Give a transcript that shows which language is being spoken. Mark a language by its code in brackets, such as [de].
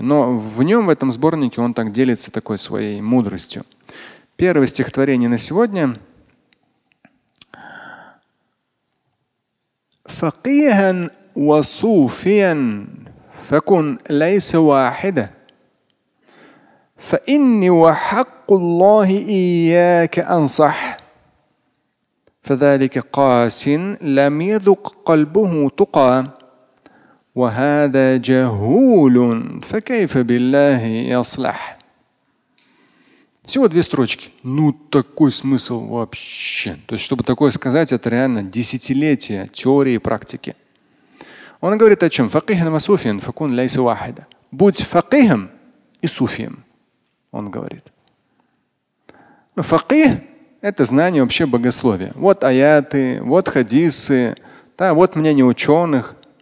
[ru] Но в нем, в этом сборнике, он так делится такой своей мудростью. Первое стихотворение на сегодня. [ar] Факихан ва суфиян факун лайса вахида. فإني وحق الله إياك أنصح فذلك قاس لم يذق قلبه تقى وهذا جهول فكيف بالله يصلح. [ru] Всего две строчки. Ну, такой смысл вообще. То есть, чтобы такое сказать, это реально десятилетия теории и практики. Он говорит о чем? [ar] Факихан ва суфиян факун ляйса вахида. [ru] Будь факихом и суфием. Он говорит. Ну, факих – это знание вообще богословия. Вот аяты, вот хадисы, да, вот мнение ученых.